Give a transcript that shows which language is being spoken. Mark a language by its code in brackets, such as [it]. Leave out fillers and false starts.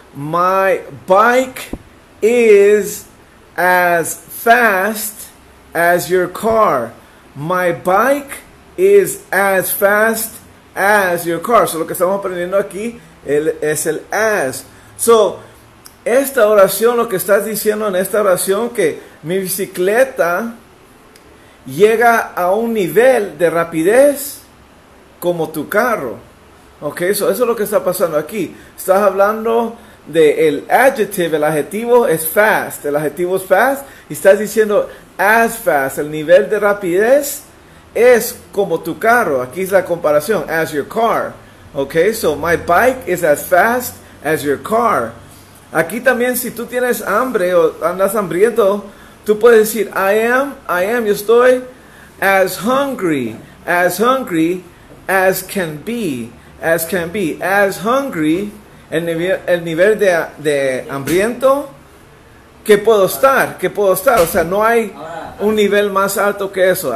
[en] My bike is as fast as your car. My bike is as fast as your car. [es] So lo que estamos aprendiendo aquí es el as. So esta oración, lo que estás diciendo en esta oración, que mi bicicleta llega a un nivel de rapidez como tu carro. Okay, so eso es lo que está pasando aquí. Estás hablando de el adjective, el adjetivo es fast, el adjetivo es fast, y estás diciendo [en] as fast, [es] el nivel de rapidez es como tu carro. Aquí es la comparación, [en] as your car. Okay, so my bike is as fast as your car. [es] Aquí también, si tú tienes hambre o andas hambriento, tú puedes decir [en] I am, [es] yo estoy [en] as hungry as can be, as hungry. [es] El nivel de hambriento, que puedo estar, o sea, no hay un nivel más alto que eso.